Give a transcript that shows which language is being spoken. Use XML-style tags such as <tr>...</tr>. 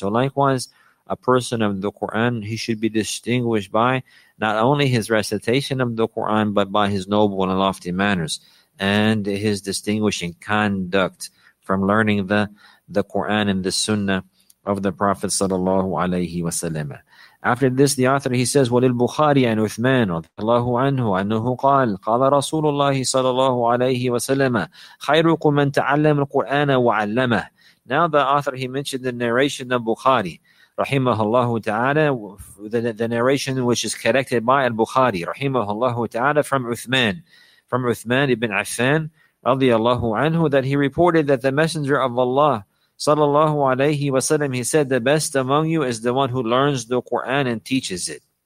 <en>So likewise, a person of the Quran, he should be distinguished by not only his recitation of the Quran, but by his noble and lofty manners and his distinguishing conduct from learning the Quran and the Sunnah of the Prophet sallallahu alaihi wasallam. After this, the author, he says,</en> <ar>وَلِلْ بُخَارِي عَنْ عُثْمَانُ رَضِيَ اللَّهُ عَنْهُ أَنُّهُ قَالَ قَالَ رَسُولُ اللَّهِ صَلَى اللَّهُ عَلَيْهِ وَسَلَّمَ خَيْرُكُمْ مَنْ تَعَلَّمَ الْقُرْآنَ وَعَلَّمَهُ.</ar> <en>Now the author, he mentioned the narration of Bukhari, rahimahullahu ta'ala, the narration which is collected by al-Bukhari, rahimahullahu ta'ala, from Uthman ibn Affan,</en> <ar>رَضِيَ اللَّهُ عَنْهُ,</ar> <en>that he reported that the Messenger of Allah sallallahu alayhi wa sallam, he said, the best among you is the one who learns the Quran and teaches it.</en>